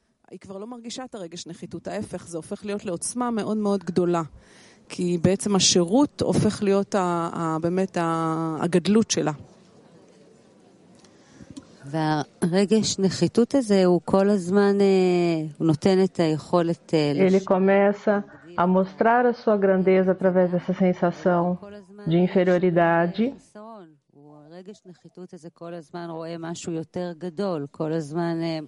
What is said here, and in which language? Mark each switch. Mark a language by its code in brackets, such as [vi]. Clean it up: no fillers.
[he] היא כבר לא מרגישה את הרגש נחיתות, ההפך, זה הופך להיות לעוצמה מאוד מאוד גדולה, כי בעצם השירות הופך להיות באמת הגדלות שלה. והרגש נחיתות הזה הוא כל הזמן נותן את היכולת... [pt] Ele começa a mostrar a sua grandeza através dessa sensação de inferioridade. [he] הרגש נחיתות הזה כל הזמן רואה משהו יותר גדול, כל הזמן...